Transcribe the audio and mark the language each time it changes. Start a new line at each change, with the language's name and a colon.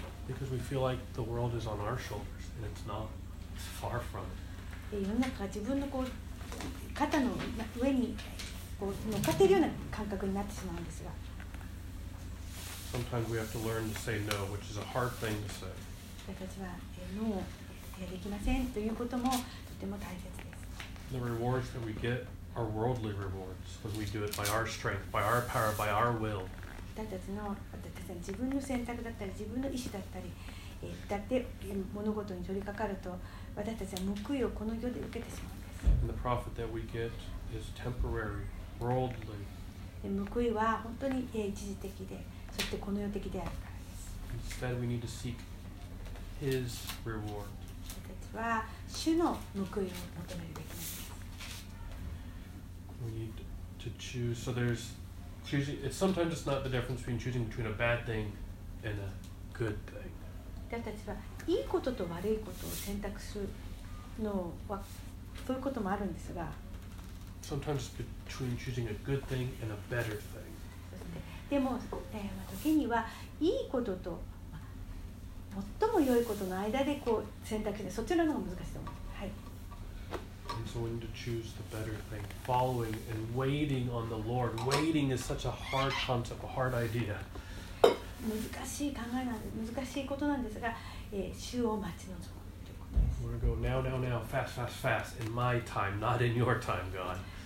English: Because we feel like the world is on our shoulders, and it's not. It's far from it.
Japanese: 世の中が自分のこう肩の上にこう乗っかっているような感覚になってしまうんですが。
English: Sometimes we have to learn to say no, which is a hard thing to say.
Japanese: 私たちはノーできませんということもとても大切です。
English: The rewards that we get are worldly rewards when we do it by our strength, by our power, by our will.
Japanese: 私たちの自分の選択だったり自分の意思だったり、だって物事に取り掛かると私たちは報いをこの世で受けてしまうんです。
English: The profit that we get is temporary, worldly.
Japanese: 報いは本当に一時的で、そしてこの世的であるからです。
English: Instead, we need to seek His reward.
Japanese: 私たちは主の報いを求めるべきなんです。
English: We need to choose. So there'sChoosing, it's sometimes it's not the difference between choosing between a bad thing and a good thing.
Japanese: 私たちはいいことと悪いことを選択するのはそういうこともあるんですが。
English: Sometimes it's between choosing a good thing and a better thing.
Japanese: でも、時にはいいことと最も良いことの間でこう選択して、そちらの方が難しいと思う。
English: And so we need to choose the better thing, following and waiting on the Lord. Waiting is such a hard concept, a hard idea.
Japanese: 難しい考えなんです。難しいことなんですが、主を待ち望むということです。
English: We're gonna go now, now, now, fast, fast, fast, in my time, not in your time, God.